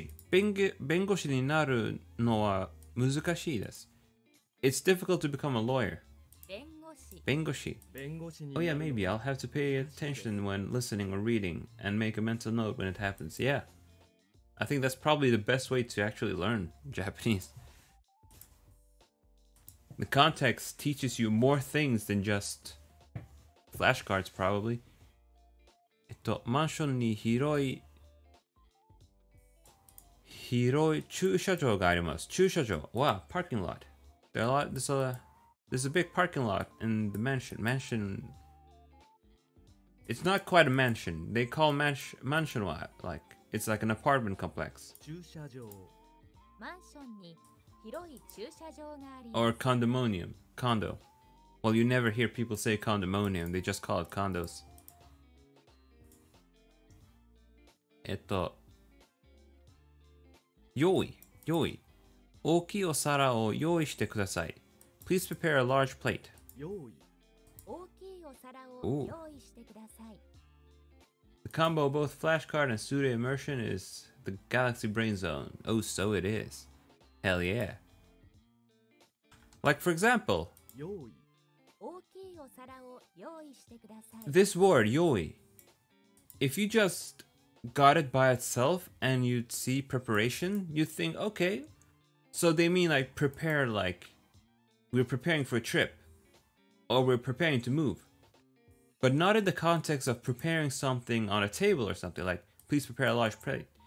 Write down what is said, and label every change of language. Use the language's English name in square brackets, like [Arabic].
[Japanese] 弁護士になるのは難しいです。 [English] It's difficult to become a lawyer. [Japanese] 弁護士。 [English] Oh yeah, maybe I'll have to pay attention when listening or reading and make a mental note when it happens. Yeah. I think that's probably the best way to actually learn Japanese. The context teaches you more things than just flashcards, probably. [Japanese] マンションに広い駐車場があります。駐車場。 [English] わあ、parking lot. There's a big parking lot in the mansion. Mansion. It's not quite a mansion. They call mansion what? Like, it's like an apartment complex. [Japanese] 駐車場。マンションに広い駐車場があります。 [English] Or condominium. Condo. Well, you never hear people say condominium. They just call it condos. [Japanese] 用意。大きいお皿を用意してください。 [English] Please prepare a large plate. [Japanese] 用意。大きいお皿を用意してください。 [English] The combo of both flashcard and pseudo immersion is the galaxy brain zone. Oh, so it is. Hell yeah. Like, for example, [Japanese] 用意。大きいお皿を用意してください。 [English] This word, 用意。If you just... got it by itself and you'd see preparation, you'd think, okay, so they mean like prepare, like we're preparing for a trip or we're preparing to move, but not in the context of preparing something on a table or something like please prepare a large plate.